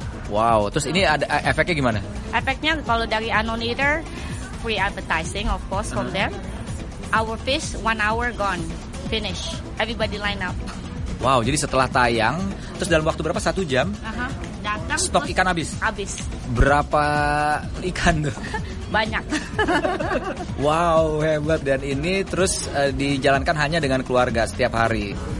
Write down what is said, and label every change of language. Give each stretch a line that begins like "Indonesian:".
Indonesian: Wow, terus ini ada efeknya gimana? Efeknya kalau dari
English: Unknown Eater, free advertising of course from them. Our fish, 1 hour gone, finish. Everybody line up.
Indonesian: Wow, jadi setelah tayang, terus dalam waktu berapa? 1 jam? Datang, stok ikan habis? Habis. Berapa ikan tuh? Banyak. Wow, hebat. Dan ini terus dijalankan hanya dengan keluarga setiap hari?